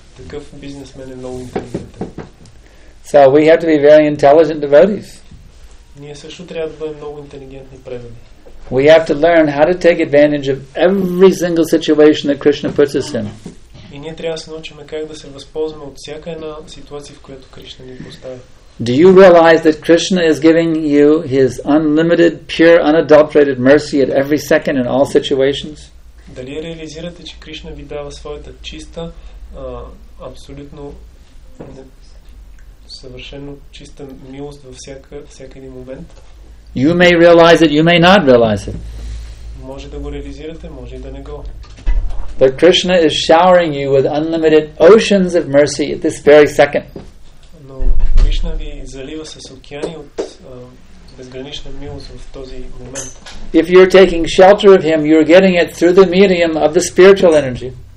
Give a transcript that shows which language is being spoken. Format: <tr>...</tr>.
<bg>Такъв бизнесмен е много интелигентен.</bg> <en>So we have to be very intelligent devotees.</en> <bg>Ние също трябва да бъдем много интелигентни предани.</bg> <en>We have to learn how to take advantage of every single situation that Krishna puts us in.</en> <bg>И ние трябва да се научим как да се възползваме от всяка една ситуация, в която Кришна ни поставя.</bg> <en>Do you realize that Krishna is giving you his unlimited, pure, unadulterated mercy at every second in all situations?</en> <bg>Дали реализирате, че Кришна ви дава своята чиста, абсолютно съвършено чиста милост във всяка един момент?</bg> <en>You may realize it, you may not realize it.</en> <bg>Може да го реализирате, може и да не го.</bg> <en>But Krishna is showering you with unlimited oceans of mercy at this very second.</en> <bg>Кришна ви залива с океани от безгранична милост в този момент.</bg> <en>If you're taking shelter of him, you're getting it through the medium of the spiritual energy.</en>